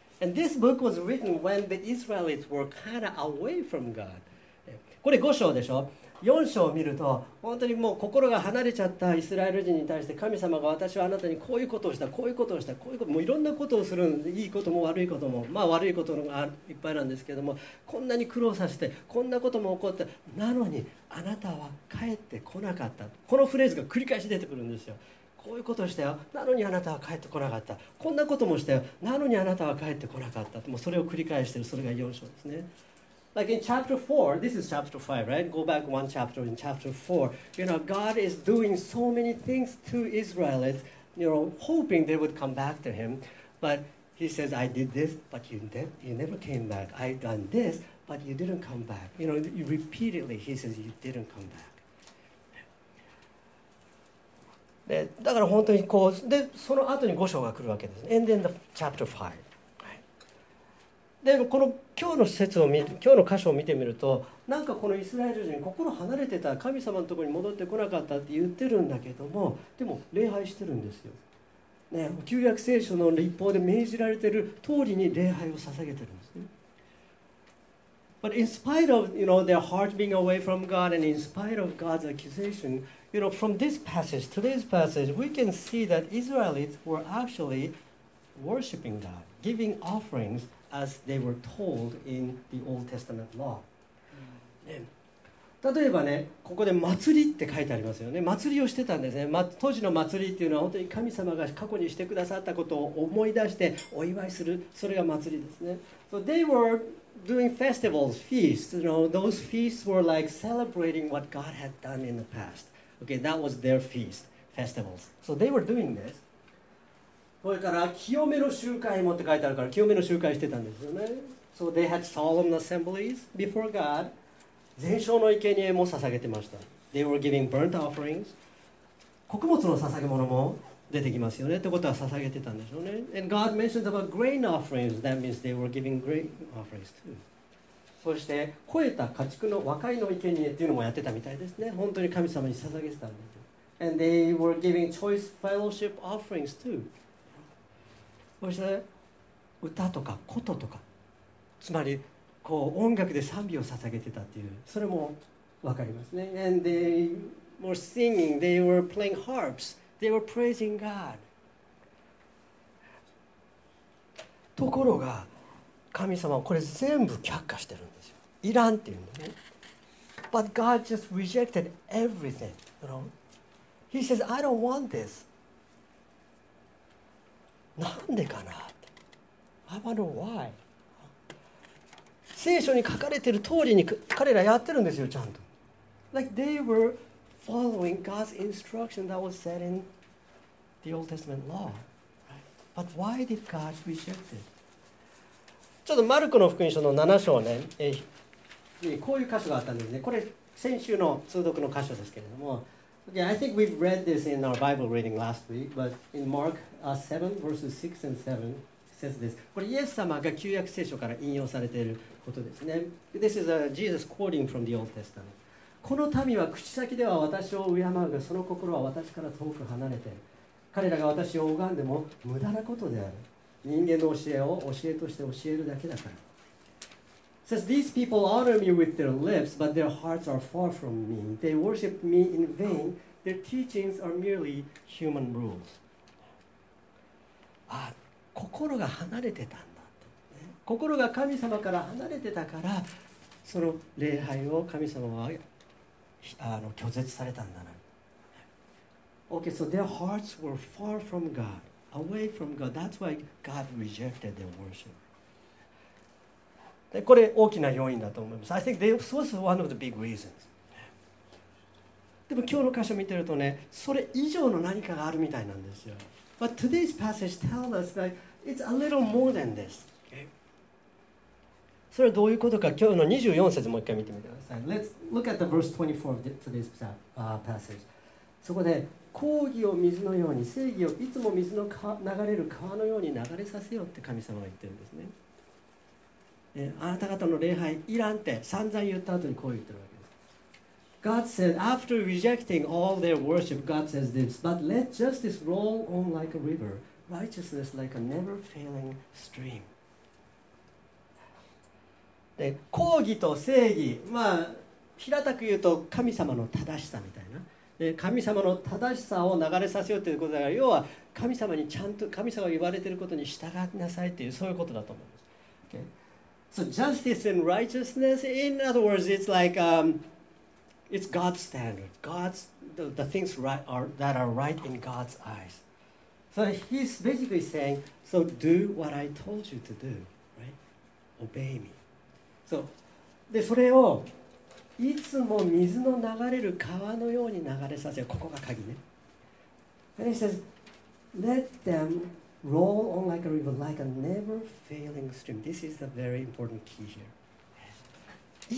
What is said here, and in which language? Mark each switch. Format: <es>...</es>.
<en>And this book was written when the Israelites were kind of away from God.</en> <ja>これ5章でしょ。 4章を見ると本当にもう心が離れちゃったイスラエル人に対して、神様が私はあなたにこういうことをした、こういうことをした、こういうこと、もういろんなことをするんで、いいことも悪いことも、まあ悪いことがいっぱいなんですけども、こんなに苦労させてこんなことも起こった、なのにあなたは帰ってこなかった。このフレーズが繰り返し出てくるんですよ。こういうことをしたよ、なのにあなたは帰ってこなかった。こんなこともしたよ、なのにあなたは帰ってこなかった。もうそれを繰り返している、それが4章ですね。</ja> <en>Like in chapter 4, this is chapter 5, right? Go back one chapter in chapter 4. You know, God is doing so many things to Israelites, you know, hoping they would come back to him. But he says, I did this, but you never came back. I done this, but you didn't come back. You know, repeatedly he says, you didn't come back.</en> <ja>でだから本当にこうで、その後に5章が来るわけです。</ja> <en>And then the chapter 5、</en> <ja>はい、でこの今日の説を見、今日の箇所を見てみると、なんかこのイスラエル人、心離れてた、神様のところに戻ってこなかったって言ってるんだけども、でも礼拝してるんですよ、ね、旧約聖書の立法で命じられている通りに礼拝を捧げているんですね。</ja> <en>But in spite of, you know, their heart being away from God and in spite of God's accusation, you know, from this passage, today's passage, we can see that Israelites were actually worshiping God, giving offerings as they were told in the Old Testament law.、</en> <ja>例えばね、ここで祭りって書いてありますよね。祭りをしてたんですね、ま、当時の祭りっていうのは本当に神様が過去にしてくださったことを思い出してお祝いする、それが祭りですね。</ja> <en>So they were doing festivals, feasts, you know, those feasts were like celebrating what God had done in the past. Okay, that was their feast, festivals. So they were doing this.</en> <ja>それから清めの集会もって書いてあるから、清めの集会してたんですよね。</ja> <en>So they had solemn assemblies before God.</en> <ja>全焼の生贄も捧げてました。</ja> <en>They were giving burnt offerings.</en> <ja>穀物の捧げ物も出てきますよね。ってことは捧げてたんでしょうね。</ja> <en>And God mentions about grain offerings. That means they were giving grain offerings too.</en> <ja>そして肥えた家畜の和解の生贄っていうのもやってたみたいですね。本当に神様に捧げてたんです。</ja> <en>And they were giving choice fellowship offerings too.</en> <ja>そして歌とか琴とか、つまりこう音楽で賛美を捧げてたっていう、それも分かりますね。</ja> <en>And they were singing, they were playing harps, they were praising God.</en> <ja>ところが神様はこれ全部却下してるんですよ。いらんっていうのね。</ja> <en>But God just rejected everything, you know? He says, I don't want this.</en> <ja>なんでかな?</ja> <en>I wonder why.</en> <ja>聖書に書かれている通りに彼らやってるんですよ、ちゃんと。</ja> <en>Like they were following God's instruction that was set in the Old Testament law. But why did God reject it?</en> <ja>ちょっとマルコの福音書の7章ね、こういう箇所があったんですね。これ先週の通読の箇所ですけれども。</ja> <en>Yeah, I think we've read this in our Bible reading last week, but in Mark 7, verses 6 and 7,says this.</en> <ja>これイエス様が旧約聖書から引用されていることですね。</ja> <en>This is a Jesus quoting from the Old Testament.</en> <ja>この民は口先では私を敬うが、その心は私から遠く離れて、彼らが私を拝んでも無駄なことである。人間の教えを教えとして教えるだけだから。</ja> <en>It says these people honor me with their lips, but their hearts are far from me. They worship me in vain. Their teachings are merely human rules.</en> <ja>あ、心が離れてたんだと、ね、心が神様から離れてたから、その礼拝を神様は拒絶されたんだな。</ja> <en>Okay, so their hearts were far from God, away from God. That's why God rejected their worship.</en> <ja>で、これ大きな要因だと思います。</ja> <en>I think this was one of the big reasons.</en> <ja>でも今日の箇所見てるとね、それ以上の何かがあるみたいなんですよ。</ja> <en>But today's passage tells us that it's a little more than this.</en> <ja>それはどういうことか、今日の24節もう一回見てみてください。</ja> <en>Let's look at the verse 24 of today's passage.</en> <ja>そこで、公義を水のように、正義をいつも水の流れる川のように流れさせようって神様が言ってるんですね。あなた方の礼拝いらんって散々言った後にこう言ってるわけ。</ja> <en>God said, after rejecting all their worship, God says this, but let justice roll on like a river, righteousness like a never-failing stream.</en> <ja>で、公義と正義、まあ、平たく言うと神様の正しさみたいな。で、神様の正しさを流れさせようということだから、要は神様にちゃんと、神様が言われていることに従いなさいっていう、そういうことだと思うんです。</ja> <en>Okay. So justice and righteousness, in other words, it's like... It's God's standard. God's the things right are that are right in God's eyes. So he's basically saying, so do what I told you to do, right? Obey me.</en> <ja>So, でそれをいつも水の流れる川のように流れさせる。ここが鍵ね。</ja> <en>And he says, let them roll on like a river, like a never failing stream. This is the very important key here.</en>